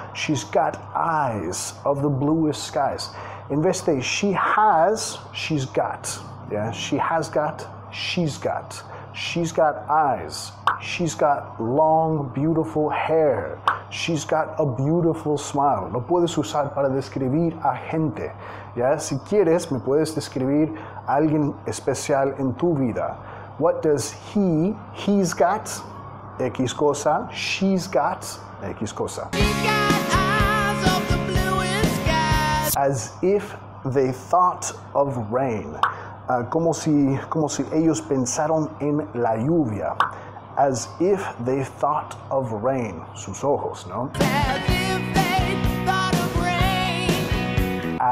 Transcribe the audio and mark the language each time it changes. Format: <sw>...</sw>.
<en>She's got eyes of the bluest skies.</en> <es>En vez de</es> <en>she has, she's got.</en> <es>¿Ya?</es> <en>She has got, she's got. She's got eyes. She's got long, beautiful hair. She's got a beautiful smile.</en> <es>Lo puedes usar para describir a gente. ¿Ya? Si quieres, me puedes describir a alguien especial en tu vida.</es> <en>What does he's got,</en> <es>X cosa,</es> <en>she's got, X cosa. She's got eyes of the bluest skies. As if they thought of rain.</en> <es>Como si ellos pensaron en la lluvia.</es> <en>As if they thought of rain.</en> <es>Sus ojos, ¿no?</es> <en>As if they thought of rain.</en>